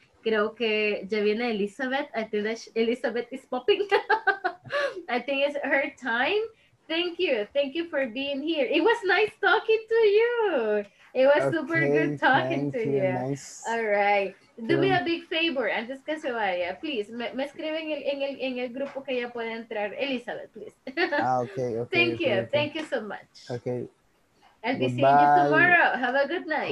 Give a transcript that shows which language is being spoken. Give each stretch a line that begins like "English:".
Spanish: Creo que ya viene Elizabeth.
English: I think that Elizabeth is popping. I think it's her time. Thank you for being here. It was nice talking to you. It was okay, super good talking to you. Nice. All right. Do me a big favor,
Spanish: antes que se vaya,
English: please.
Spanish: Me escriben en el grupo que ya puede entrar, Elizabeth, please. Okay.
English: Thank you so much. Okay. I'll be seeing you tomorrow. Have a good night.